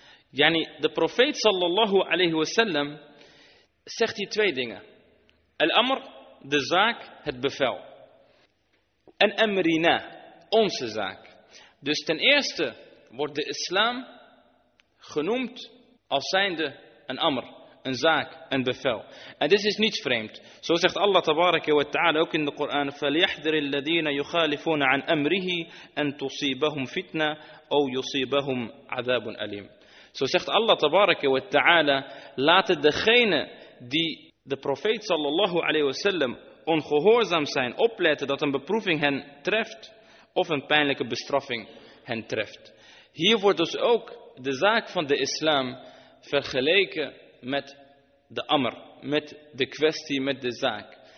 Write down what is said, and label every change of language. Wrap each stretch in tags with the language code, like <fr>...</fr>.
<nl>Yani de profeet sallallahu alayhi wa sallam zegt hier twee dingen. Al-amr, de zaak, het bevel. En amrina, onze zaak. Dus ten eerste wordt de islam genoemd als zijnde een amr. Een zaak, een bevel. En dit is niet vreemd. Zo zegt Allah tabaraka wa ta'ala ook in de Koran,</nl> <ar>فَلْيَحْذَرِ الَّذِينَ يُخَالِفُونَ عَنْ أَمْرِهِ أَنْ تُصِيبَهُمْ فِتْنَةً أَوْ يُصِيبَهُمْ عَذَابٌ أَلِيمٌ.</ar> <nl>Zo zegt Allah tabaraka wa ta'ala, laat het degene die de profeet sallallahu alayhi wa sallam ongehoorzaam zijn, opletten dat een beproeving hen treft of een pijnlijke bestraffing hen treft. Hier wordt dus ook de zaak van de islam vergeleken met de amr, met de kwestie, met de zaak.</nl>